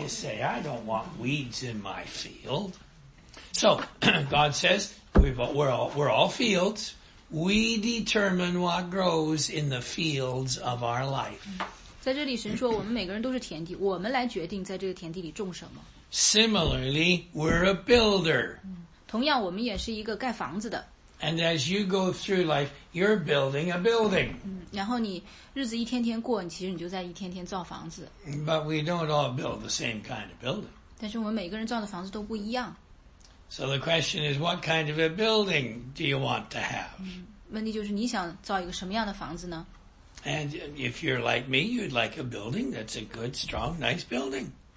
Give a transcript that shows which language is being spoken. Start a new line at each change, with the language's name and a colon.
English: You say, I don't want weeds in my field. So, God says, we're all fields. We determine what grows in the fields of our life.
Chinese: 在这里神说我们每个人都是田地，我们来决定在这个田地里种什么。
English: Similarly, we're a builder.
Chinese: 同样我们也是一个盖房子的。
English: And as you go through life, you're building a building.
Chinese: 然后你日子一天天过，其实你就在一天天造房子。
English: But we don't all build the same kind of building.
Chinese: 但是我们每个人造的房子都不一样。
English: So the question is, what kind of a building do you want to have?
Chinese: 问题就是你想造一个什么样的房子呢？
English: And if you're like me, you'd like a building that's a good, strong, nice building.